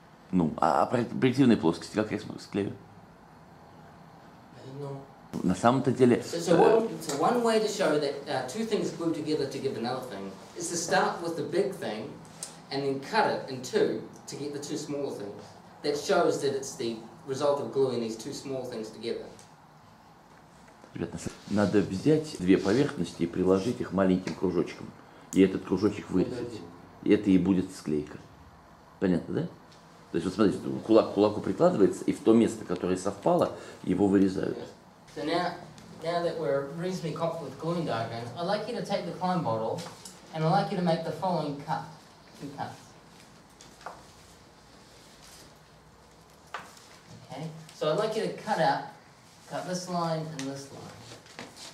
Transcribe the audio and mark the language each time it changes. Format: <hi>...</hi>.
<ru>Ну, а проективные плоскости, как я их склею? На самом-то деле...</ru> <en>So one way to show that two things glue together to give another thing is to start with the big thing and then cut it in two to get the two smaller things. That shows that it's the result of gluing these two small things together.</en> <ru>Надо взять две поверхности и приложить их маленьким кружочком. И этот кружочек вырезать. И это и будет склейка. Понятно, да? То есть, вот смотрите, кулак к кулаку прикладывается, и в то место, которое совпало, его вырезают.</ru> <en>So now that we're reasonably confident with gluing diagrams, I'd like you to take the Klein bottle, and I'd like you to make the following cut. Two cuts. Okay. So I'd like you to cut this line and this line.</en>